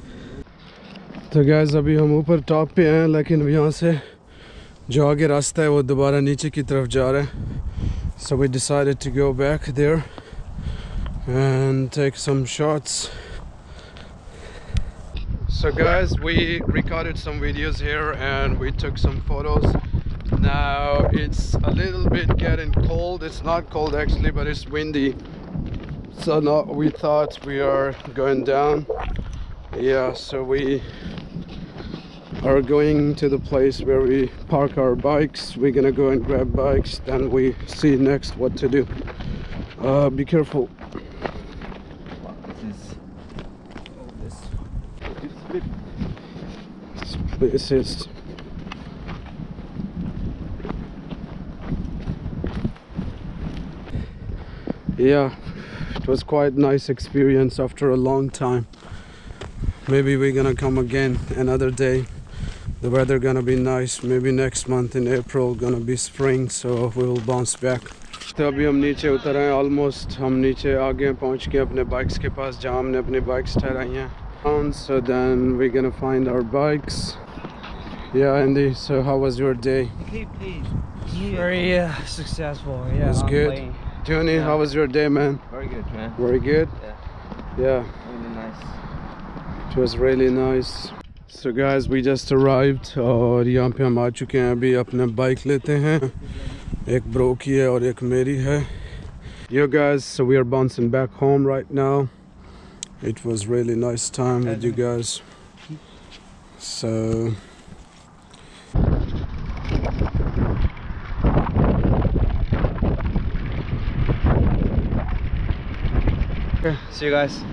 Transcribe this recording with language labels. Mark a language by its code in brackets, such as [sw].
[hi] तो गाइस अभी हम ऊपर टॉप पे हैं लेकिन यहाँ से जो आगे रास्ता है वो दोबारा नीचे की तरफ जा रहे हैं [en] So we decided to go back there and take some shots so guys we recorded some videos here and we took some photos Now it's a little bit getting cold. It's not cold actually, but it's windy. So now we thought we are going down. Yeah, so we are going to the place where we park our bikes. We're gonna go and grab bikes. Then we see next what to do. Be careful. This is all this. Do places. Yeah, it was quite nice experience after a long time. Maybe we're gonna come again another day. The weather gonna be nice. Maybe next month in April gonna be spring, so we will bounce back. [hi] तो अभी हम नीचे उतर आए, almost हम नीचे आ गए, पहुंच गए अपने bikes के पास जहां हमने अपने bikes ठहराई हैं. [en] So then we're gonna find our bikes. Yeah, Andy. So how was your day? Very successful. Yeah. It was good. Johnny, yeah. How was your day, man? Very good, man. Very good. Yeah. Yeah. Really nice. It was really nice. So guys, we just arrived [hi] और यहाँ पे हम आ चुके हैं. अभी अपने bike लेते हैं. एक bro की है और एक मेरी है. [en] Yo guys, so we are bouncing back home right now. It was really nice time with you guys. So okay. See you guys.